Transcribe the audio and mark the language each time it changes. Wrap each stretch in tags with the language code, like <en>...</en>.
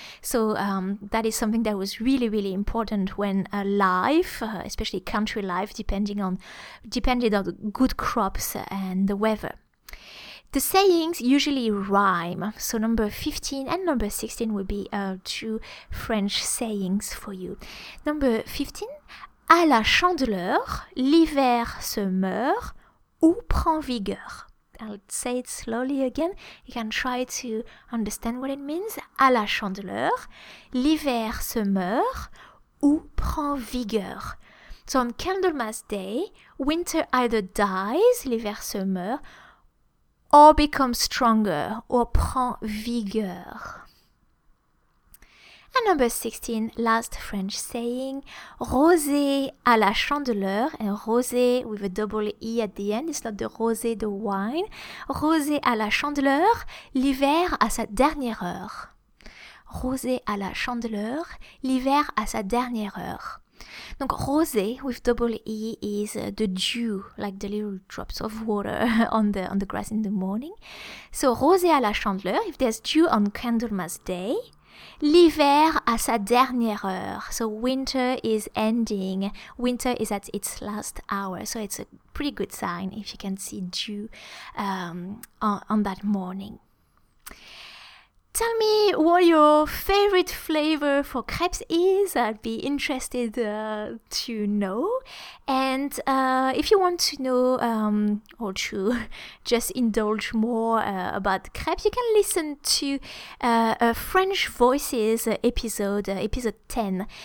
<en>So that is something that was really, really important when life, especially country life, depended on good crops and the weather. The sayings usually rhyme. So number 15 and number 16 will be two French sayings for you. Number 15.</en> <fr>À la chandeleur, l'hiver se meurt ou prend vigueur.</fr> <en>I'll say it slowly again. You can try to understand what it means.</en> <fr>À la chandeleur, l'hiver se meurt ou prend vigueur.</fr> <en>So on Candlemas Day, winter either dies,</en> <fr>l'hiver se meurt,</fr> <en>or becomes stronger, or</en> <fr>prend vigueur.</fr> <en>And number 16, last French saying,</en> <fr>rosé à la chandeleur,</fr> <en>and rosé with a double E at the end, it's not the rosé de wine.</en> <fr>Rosé à la chandeleur, l'hiver à sa dernière heure. Rosé à la chandeleur, l'hiver à sa dernière heure.</fr> <en>Donc rosé with double E is the dew, like the little drops of water on the grass in the morning. So</en> <fr>rosé à la chandeleur,</fr> <en>if there's dew on Candlemas Day,</en> <fr>l'hiver à sa dernière heure.</fr> <en>So winter is ending. Winter is at its last hour. So it's a pretty good sign if you can see dew on that morning. Tell me what your favorite flavor for crepes is. I'd be interested to know. And if you want to know or to just indulge more about crepes, you can listen to a French Voices episode 10.</en>